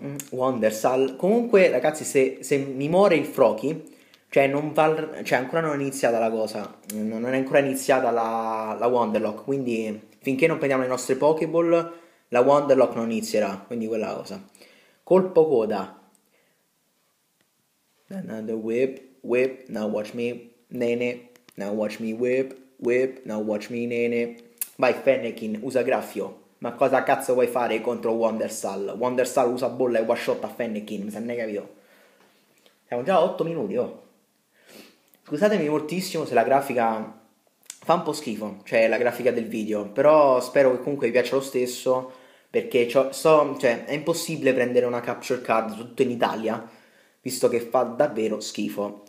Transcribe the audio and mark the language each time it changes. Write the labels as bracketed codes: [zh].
[it] Wondersal. Comunque, ragazzi, se mi muore il Froakie, cioè non val, cioè ancora non è iniziata la cosa, non è ancora iniziata la Wonderlock, quindi finché non prendiamo le nostre Pokéball, la Wonderlock non inizierà, quindi quella cosa. Colpo coda. [en] Another whip, now watch me, nene, now watch me whip, now watch me, nene. [it] Vai, Fennekin, usa Graffio. Ma cosa cazzo vuoi fare contro Wondersal? Wondersal usa bolla e one shot a Fennekin, mi sa ne capito. Siamo già a 8 minuti, oh. Scusatemi moltissimo se la grafica fa un po' schifo, cioè la grafica del video, però spero che comunque vi piaccia lo stesso, perché cioè, è impossibile prendere una capture card tutto in Italia, visto che fa davvero schifo.